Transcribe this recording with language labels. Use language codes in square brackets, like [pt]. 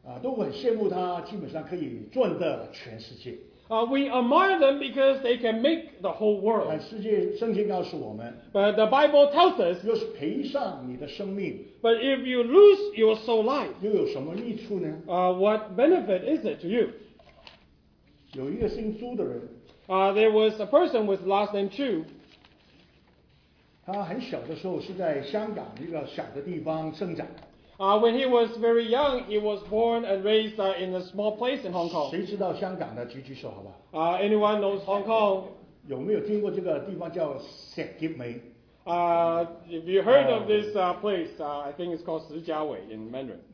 [zh] 都很羡慕他，基本上可以赚得全世界。 [en] We admire them because they can make the whole world. [zh] 世界圣经告诉我们 [en] ，But the Bible tells us, [zh] 要是赔上你的生命 [en] ，But if you lose your soul life, [zh] 又有什么益处呢 [en] ？What benefit is it to you? [zh] 有一个姓朱的人 [en] ，There was a person with last name Chu. [zh] 他很小的时候是在香港一个小的地方生长。 [en] When he was very young, he was born and raised in a small place in Hong Kong. [zh] 谁知道香港的举举手好吧。 [en] Anyone knows Hong Kong? [zh] 有没有听过这个地方叫 Sek Kit Mei? [en] If you heard of this place, I think it's called Si Jia Wei in Mandarin.